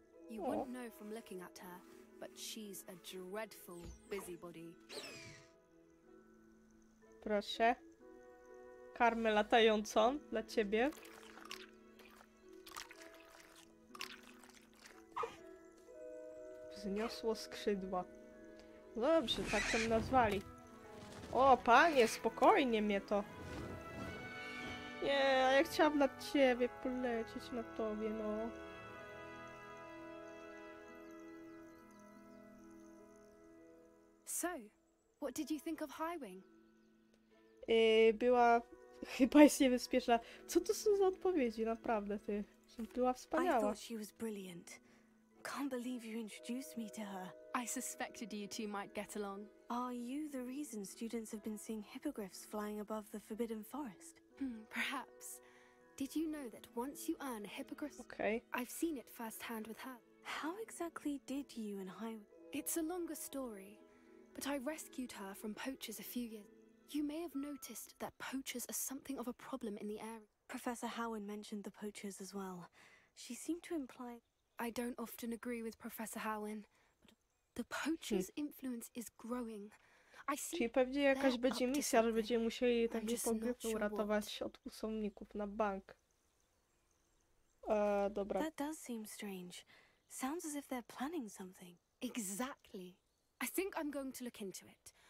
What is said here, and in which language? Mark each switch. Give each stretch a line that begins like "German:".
English: You wouldn't know from looking at her, but she's a dreadful busybody.
Polish: Proszę. Karmę latającą dla ciebie. Wzniosło skrzydła. Dobrze, tak to nazwali. O, panie, spokojnie mnie to. Nie, a ja chciałam nad ciebie polecieć na tobie, no.
English: So, what did you think of Highwing?
Polish: Była chyba jest niebezpieczna. Co to są za odpowiedzi, naprawdę ty? Była wspaniała.
English: I thought she was brilliant. Can't believe you introduced me to her. I suspected you two might get along. Are you the reason students have been seeing hippogriffs flying above the Forbidden Forest? Perhaps. Did you know that once you earn a hippogriff? Okay. I've seen it firsthand with her. How exactly did you and Highwing? It's a longer story. But I rescued her from poachers a few years. You may have noticed that poachers are something of a problem in the area. Professor Howen mentioned the poachers as well. She seemed to imply... I don't often agree with Professor Howen, but the poachers' influence is growing. I see...
Polish: Czyli pewnie jakaś będzie misja, że będziemy musieli tak hipogryfy uratować od usomników na bank. Dobra.
English: That does seem strange. Sounds as if they're planning something. Exactly. I think I'm going to look into it.